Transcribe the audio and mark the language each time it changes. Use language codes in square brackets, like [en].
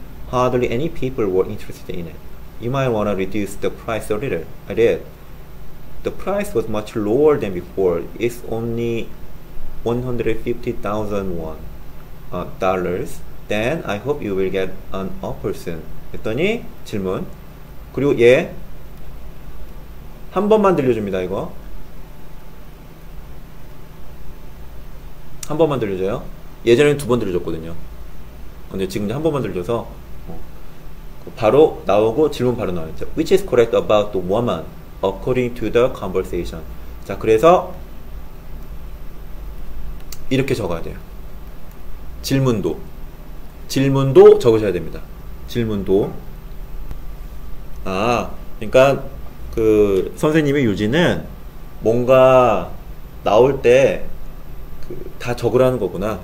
[en] Hardly any people were interested in it. You might want to reduce the price a little. I did. The price was much lower than before. It's only 150,000 won. Dollars. Then I hope you will get an offer soon. [ko] 했더니 질문. 그리고 얘 한 번만 들려줍니다. 이거 한 번만 들려줘요. 예전에는 두 번 들려줬거든요. 근데 지금 한 번만 들려서 바로 나오고 질문 바로 나와요. [en] Which is correct about the woman according to the conversation. [ko] 자, 그래서 이렇게 적어야 돼요. 질문도 적으셔야 됩니다. 질문도. 아, 그러니까 그 선생님의 요지는 뭔가 나올 때 그 다 적으라는 거구나.